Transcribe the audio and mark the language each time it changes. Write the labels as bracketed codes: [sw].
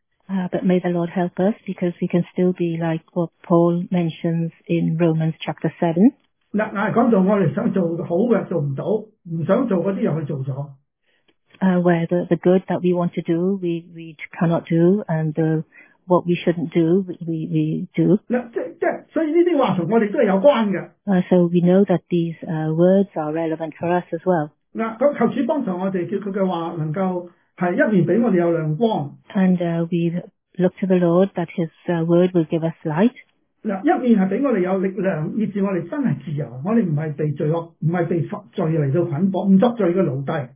[en] But may the Lord help us, because we can still be like what Paul mentions in Romans chapter 7. [yue] 嗱，讲到我哋想做好嘅做唔到，唔想做嗰啲又去做咗。 [en] Where the good that we want to do, we cannot do, and what we shouldn't do, we do. [yue] 所以呢啲话同我哋都系有关嘅。 [en] So we know that these words are relevant for us as well. [yue] 求主帮助我哋，叫佢嘅话能够系一面俾我哋有亮光。 [en] And we look to the Lord that His word will give us light. [yue] 一面系俾我哋有力量，以致我哋真系自由，我哋唔系被罪恶，唔系被罪嚟到捆绑，唔执罪嘅奴隶。